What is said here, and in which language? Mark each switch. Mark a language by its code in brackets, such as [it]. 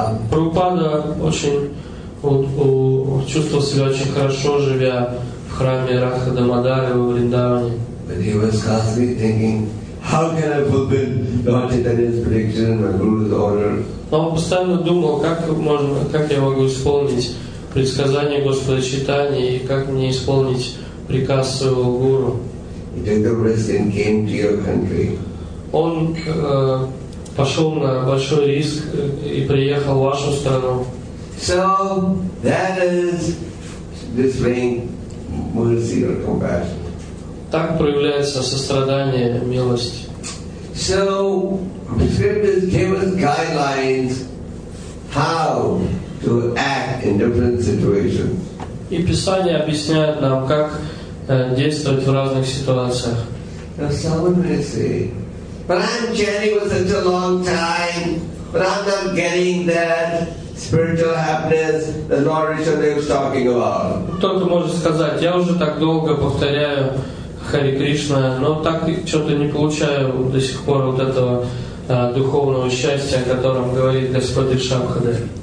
[ru] Прабхупада чувствовал себя очень хорошо, живя в храме Радха Дамодары во Вриндаване. [en] But he was constantly thinking, how can I fulfill Lord Chaitanya's prediction and my guru's order? [ru] Но он постоянно думал, как я могу исполнить предсказание Господа Чайтаньи и как мне исполнить приказ своего гуру. [en] He took the risk and came to your country. [ru] Он пошел на большой риск и приехал в вашу страну. [en] So that is displaying mercy or compassion. [ru] Так проявляется сострадание, милость. [en] So the scriptures give us guidelines how to act in different situations. [ru] И Писание объясняет нам, как действовать в разных ситуациях. [en] Now someone may say, but I'm chanting for such a long time, but I'm not getting that spiritual happiness that Lord Rishabhdev was talking about. [ru] Кто-то может сказать, я уже так долго повторяю Хари Кришна, но так что-то не получаю до сих пор вот этого духовного счастья, о котором говорит Господь Ришабхадев.